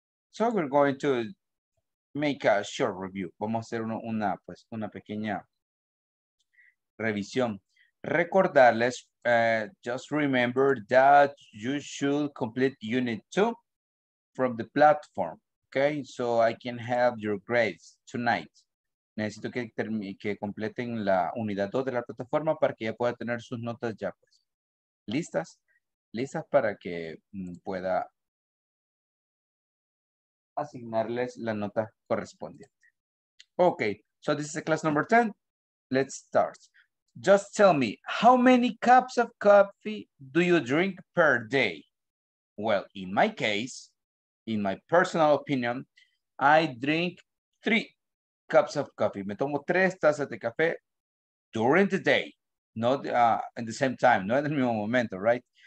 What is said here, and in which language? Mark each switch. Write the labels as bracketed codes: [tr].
[en] So we're going to make a short review. [es] Vamos a hacer una pequeña revisión. Recordarles, [en] just remember that you should complete unit 2 from the platform, okay? So I can have your grades tonight. [es] Necesito que completen la unidad 2 de la plataforma para que ya pueda tener sus notas ya pues listas para que pueda asignarles la nota correspondiente. [en] Okay, so this is the class number 10. Let's start. Just tell me, how many cups of coffee do you drink per day? Well, in my case, in my personal opinion, I drink 3 cups of coffee. [es] Me tomo 3 tazas de café [en] during the day, not at the same time, not in the [es] mismo momento, [en] right?